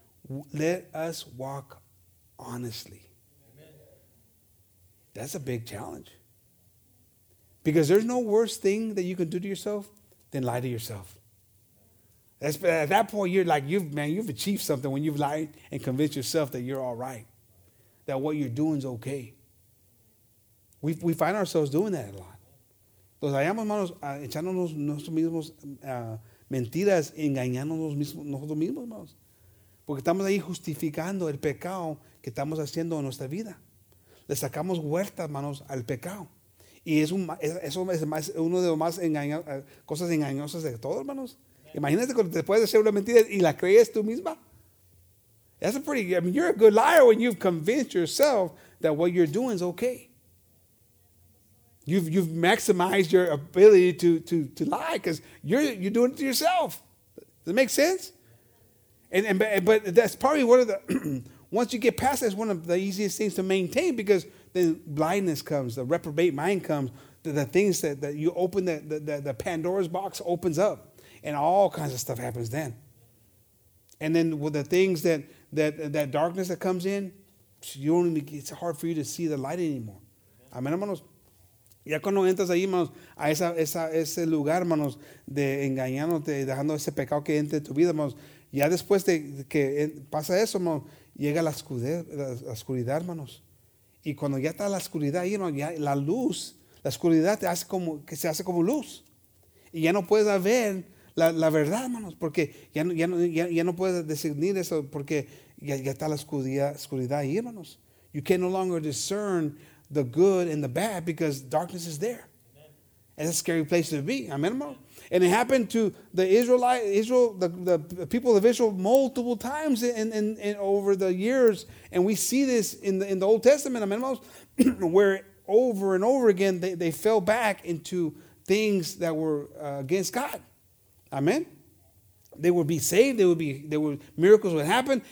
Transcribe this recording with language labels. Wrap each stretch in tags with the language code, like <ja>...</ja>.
<en>Amen. Let us walk honestly. Amen. That's a big challenge. Because there's no worse thing that you can do to yourself than lie to yourself. That's, at that point, you're like, you've achieved something when you've lied and convinced yourself that you're all right, that what you're doing is okay. We find ourselves doing that a lot.</en> <es>Los hallamos, hermanos, echándonos nosotros mismos mentiras, engañándonos nosotros mismos, hermanos. Porque estamos ahí justificando el pecado que estamos haciendo en nuestra vida. Le sacamos vueltas, hermanos, al pecado. Y eso es uno de los más cosas engañosas de todo, hermanos. Imagínate cuando te puedes hacer una mentira y la crees tú misma.</es> <en>That's a pretty, I mean, you're a good liar when you've convinced yourself that what you're doing is okay. You've maximized your ability to lie because you're doing it to yourself. Does it make sense? But that's probably one of the, once you get past that, it's one of the easiest things to maintain because then blindness comes, the reprobate mind comes, the things that you open, the Pandora's box opens up. And all kinds of stuff happens then. And then with the things that darkness that comes in, it's hard for you to see the light anymore.</en> <es>Amén, hermanos. Ya cuando entras ahí, hermanos, a ese lugar, hermanos, de engañándote, dejando ese pecado que entre tu vida, hermanos, ya después de que pasa eso, hermanos, llega la oscuridad, hermanos. Y cuando ya está la oscuridad ahí, hermanos, ya la luz, la oscuridad te hace como, que se hace como luz. Y ya no puedes ver la verdad, hermanos, porque ya no puedes discernir eso, porque ya está la oscuridad ahí, hermanos.</es> <en>You can no longer discern the good and the bad because darkness is there. Amen. It's a scary place to be. Amen, hermanos. And it happened to the Israel, the people of Israel multiple times in over the years. And we see this in the Old Testament, amen, hermanos, where over and over again they fell back into things that were against God. Amen. They would be saved. Miracles would happen.</en>